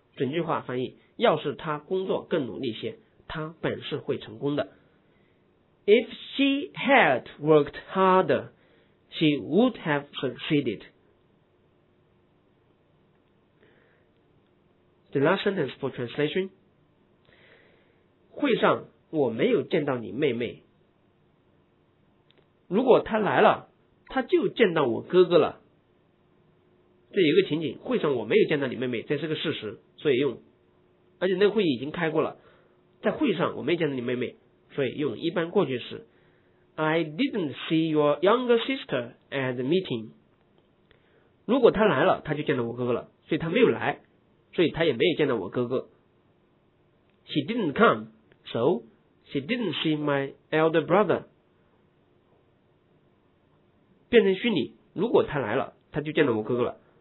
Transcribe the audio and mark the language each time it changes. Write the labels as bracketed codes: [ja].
[zh] 整句话翻译，要是他工作更努力些，他本事会成功的。 [en] If she had worked harderShe would have succeeded. The last sentence for translation. [zh] 会上我没有见到你妹妹。如果她来了，她就见到我哥哥了。这有一个情景，会上我没有见到你妹妹，这是个事实，所以用。而且那个会议已经开过了，在会上我没见到你妹妹，所以用一般过去时。 [en] I didn't see your younger sister at the meeting. [zh] 如果他来了，他就见到我哥哥了，所以他没有来，所以他也没有见到我哥哥。 [en] She didn't come, so she didn't see my elder brother. [zh] 变成虚拟，如果他来了，他就见到我哥哥了，